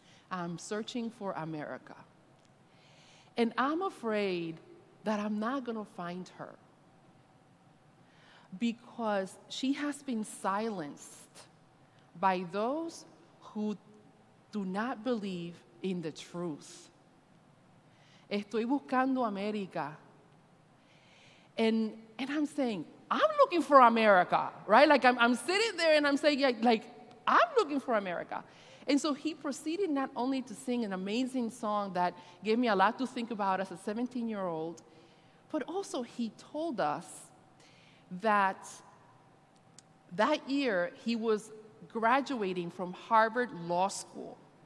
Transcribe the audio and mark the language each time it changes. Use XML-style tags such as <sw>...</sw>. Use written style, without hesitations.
<en>I'm searching for America. And I'm afraid that I'm not going to find her, because she has been silenced by those who do not believe in the truth.</en> <es>Estoy buscando América.</es> <en>And I'm saying, I'm looking for America, right? Like, I'm sitting there and I'm saying, like, I'm looking for America. And so he proceeded not only to sing an amazing song that gave me a lot to think about as a 17-year-old, but also he told us that that year he was graduating from Harvard Law School.</en>